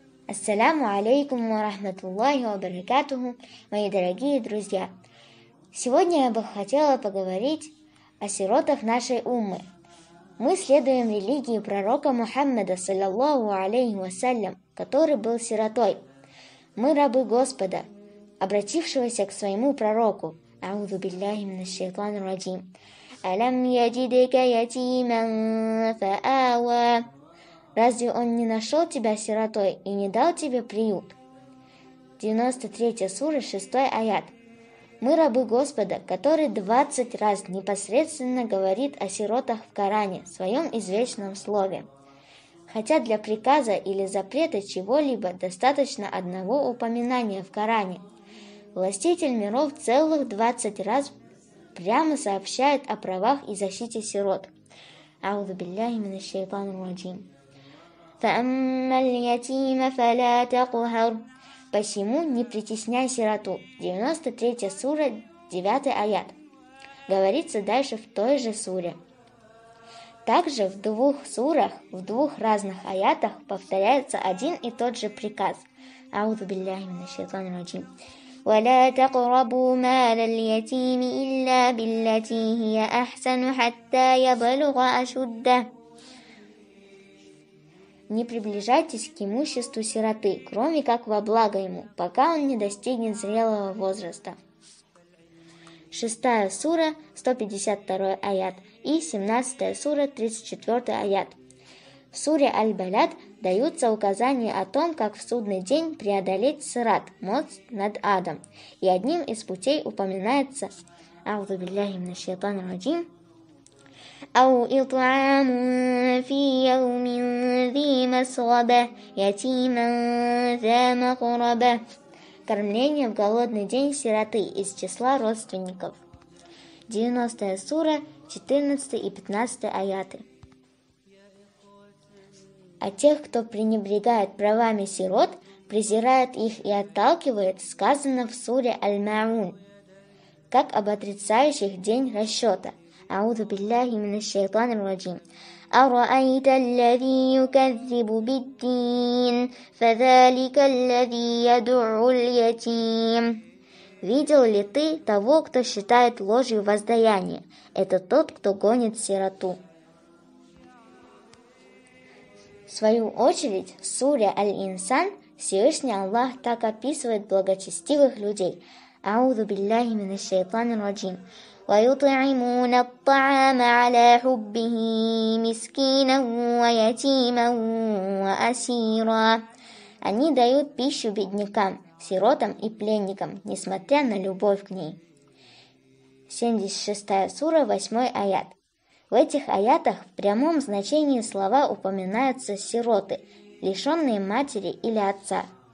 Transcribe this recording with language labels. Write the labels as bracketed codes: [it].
[ar] السلام عليكم ورحمة الله وبركاته, [ru] мои дорогие друзья. Сегодня я бы хотела поговорить о сиротах нашей уммы. Мы следуем религии пророка Мухаммада, саллаллаху алейхи вассалям, который был сиротой. Мы рабы Господа, обратившегося к своему пророку. [ar] أعوذ بالله من الشيطان الرجيم. ألم يجدك يتيما فآوى. [ru] Разве он не нашел тебя сиротой и не дал тебе приют? 93 сура, 6 аят. Мы рабы Господа, который 20 раз непосредственно говорит о сиротах в Коране, в своем извечном слове. Хотя для приказа или запрета чего-либо достаточно одного упоминания в Коране. Властитель миров целых 20 раз прямо сообщает о правах и защите сирот. [ar] أعوذ بالله من الشيطان الرجيم. فَأَمَّا الْيَتِيمَ فَلَا تَقْهَرْ. [ru] Посему не притесняй сироту. 93 сура, 9 аят. Говорится дальше в той же суре. Также в двух сурах, в двух разных аятах повторяется один и тот же приказ. [ar] أعوذ بالله من الشيطان الرجيم. وَلَا تَقْرَبُوا مَالَ الْيَتِيمِ إِلَّا بِالَّتِي هِيَ أَحْسَنُ حَتَّى يَبْلُغَ أَشُدَّهُ. [ru] Не приближайтесь к имуществу сироты, кроме как во благо ему, пока он не достигнет зрелого возраста. 6 сура, 152 аят и 17 сура, 34 аят. В суре Аль-Балад даются указания о том, как в судный день преодолеть сират, мост над адом. И одним из путей упоминается [ar] «Ауду билляхи мина шайтан раджим». أو إطعام في يوم ذي مسغبة يتيما ذا مقربة. [ru] Кормление в голодный день сироты из числа родственников. 90 сура, 14 и 15 аяты. А тех, кто пренебрегает правами сирот, презирает их и отталкивает, сказано в суре Аль-Маун, как об отрицающих день расчета. [ar] أعوذ بالله من الشيطان الرجيم. أرأيت الذي يكذب بالدين فذلك الذي يدعو اليتيم. [ru] Видел ли ты того, кто считает ложью воздаяние? Это тот, кто гонит сироту. В свою очередь, в суре Аль-Инсан Всевышний Аллах так описывает благочестивых людей. [ar] أعوذ بالله من الشيطان الرجيم. ويطعمون الطعام على حبه مسكينا ويتيما وأسيرا. [ru] Они дают пищу беднякам, сиротам и пленникам, несмотря на любовь к ней. 76 сура, 8 аят. В этих аятах в прямом значении слова упоминаются сироты, лишенные матери или отца.